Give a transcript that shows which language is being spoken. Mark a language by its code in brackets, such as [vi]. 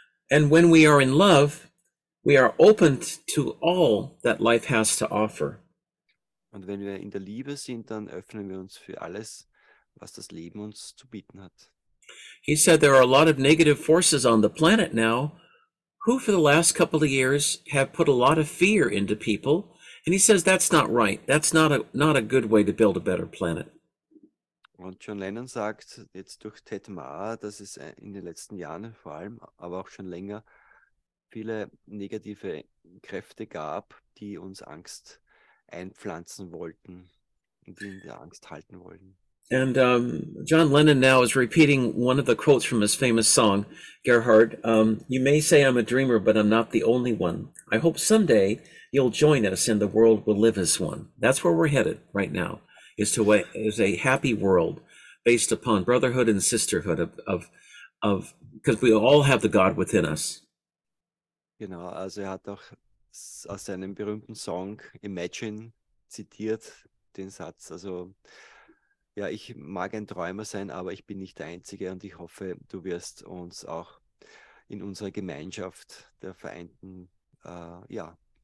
[en] And when we are in love, we are open to all that life has to offer. [de] Und wenn wir in der Liebe sind, dann öffnen wir uns für alles, was das Leben uns zu bieten hat. [en] He said there are a lot of negative forces on the planet now, who for the last couple of years have put a lot of fear into people, and he says that's not right. That's not a good way to build a better planet. [de] Und John Lennon sagt jetzt durch Ted Ma, dass es in den letzten Jahren vor allem, aber auch schon länger, viele negative Kräfte gab, die uns Angst einpflanzen wollten, die in der Angst halten wollten. [en] And John Lennon now is repeating one of the quotes from his famous song, Gerhard. You may say I'm a dreamer, but I'm not the only one. I hope someday you'll join us and the world will live as one. That's where we're headed right now, is a happy world based upon brotherhood and sisterhood of because we all have the God within us. [de] Genau, also er hat auch aus seinem berühmten Song Imagine zitiert, den Satz, also ja, ich mag ein Träumer sein, aber ich bin nicht der Einzige, und ich hoffe, du wirst uns auch in unserer Gemeinschaft der Vereinten, ja.